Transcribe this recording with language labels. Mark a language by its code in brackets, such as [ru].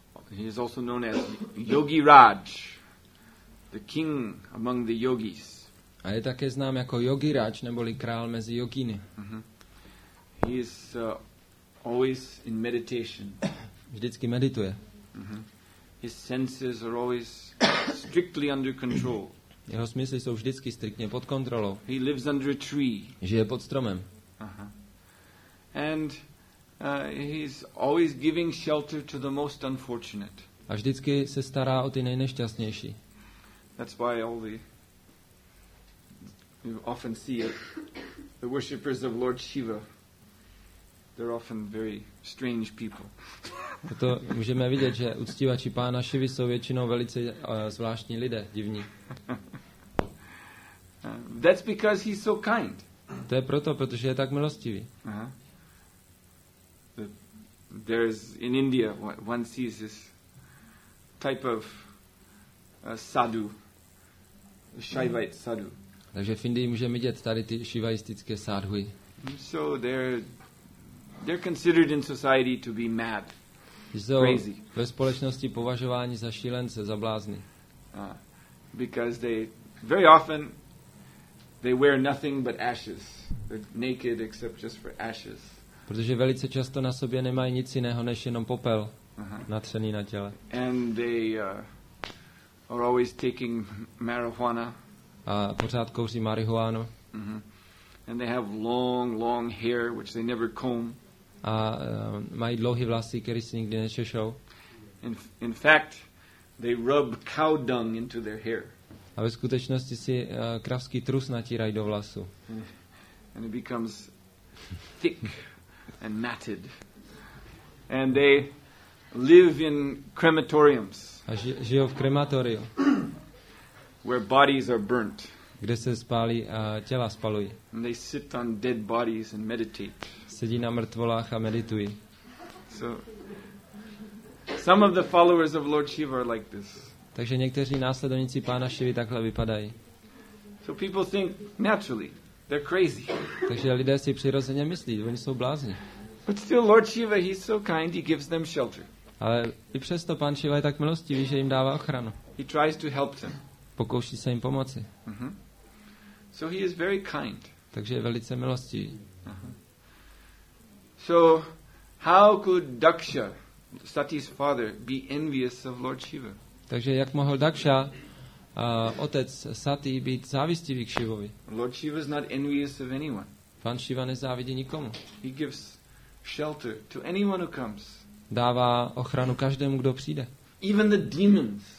[en] He is also known as Yogi Raj, the king among the yogis. [cs] A je také znám jako Yogi Raj, neboli král mezi yogíny. [en] He is always in meditation. [cs] Vždycky medituje. [en] His senses are always strictly under control. [cs] Jeho smysly jsou vždycky striktně pod kontrolou. [en] He lives under a tree. [cs] Žije pod stromem. [en] And he's always giving shelter to the most unfortunate. [cs] A vždycky se stará o ty nejnešťastnější. [en] That's why all the you often see it, the worshippers of Lord Shiva. They're often very strange people. [cs] Proto můžeme vidět, že uctívači pána Šivy jsou většinou velice zvláštní lidé, divní. [en] That's because he's so kind. [cs] To je proto, protože je tak milostivý. [en] There is in India one sees this type of sadhu, Shaivite sadhu. [cs] Takže v Indii můžeme vidět tady ty šivaistické sadhuji. [en] So they're considered in society to be mad. Crazy. [cs] Ve společnosti považování za šílence, za blázny. [en] Because they very often they wear nothing but ashes. They're naked except just for ashes. [cs] Protože velice často na sobě nemají nic jiného než jenom popel natřený na těle. [en] And they are always taking marijuana. [cs] A pořád kouří marihuánu. [en] And they have long hair which they never comb. [cs] A mají dlouhé vlasy, které si nikdy nečešou. [en] In fact, they rub cow dung into their hair. [cs] A ve skutečnosti si kravský trus natírají do vlasu. [en] And it becomes thick and matted. And they live in crematoriums. [cs] A žijou v krematoriu. [en] Where bodies are burnt. [cs] Kde se spálí a těla spalují. [en] And they sit on dead bodies and meditate. [cs] Sedí na mrtvolách a meditují. [en] So some of the followers of Lord Shiva are like this. [cs] Takže někteří následovníci pána Šivy takhle vypadají. [en] So people think naturally. They're crazy. [cs] Takže lidé si přirozeně myslí, oni jsou blázni. [en] But still, Lord Shiva, he's so kind, he gives them shelter. [cs] Ale i přesto pán Šiva je tak milostivý, že jim dává ochranu. [en] He tries to help them. [cs] Pokouší se jim pomoci. [en] So he is very kind. [cs] Takže je velice milostivý. [en] So how could Daksha, Sati's father, be envious of Lord Shiva? [cs] Takže jak mohl Daksha, otec Sati, být závistivý k Šivovi? [en] Lord Shiva is not envious of anyone. [cs] Pán Šiva nezávidí nikomu. [en] He gives shelter to anyone who comes. [cs] Dává ochranu každému, kdo přijde. [en] Even the demons.